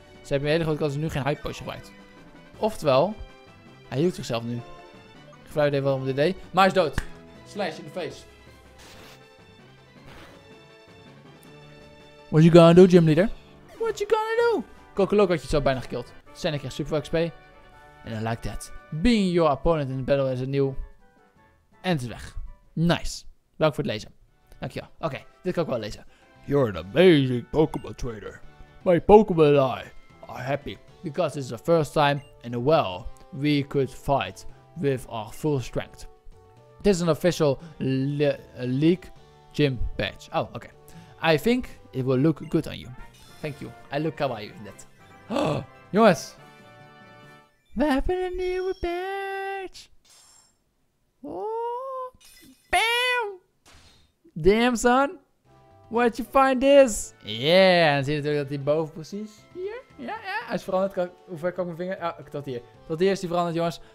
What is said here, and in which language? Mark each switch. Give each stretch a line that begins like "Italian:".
Dutch: Ze hebben een hele grote kans dat ze nu geen hype potion gebruikt. Oftewel, hij hield zichzelf nu. Ik vraag even waarom dit deed. Maar hij is dood.
English: Slash in the face. What you gonna do, gym leader? What you gonna do?
Dutch: Coco Loco had je zo bijna gekild. Senna krijgt super veel XP.
English: And I like that. Being your opponent in the battle is a new.
Dutch: En het is weg. Nice. Bedankt voor het lezen. Dankjewel. Oké, dit kan ik wel lezen.
English: You're an amazing Pokémon trainer. My Pokémon and I are happy. Because this is the first time in a while we could fight with our full strength. It is an official league gym badge. Oh, okay. I think it will look good on you. Thank you. I look kawaii in that.
Dutch: Jongens. We hebben een nieuwe badge.
English: Oh. Bam. Damn, son. Where'd you find this? Yeah.
Dutch: En zie je natuurlijk dat die boven precies. Hier. Ja, ja. Hij is veranderd. Hoe ver kan ik mijn vinger? Ah, tot hier. Tot hier is hij veranderd, jongens.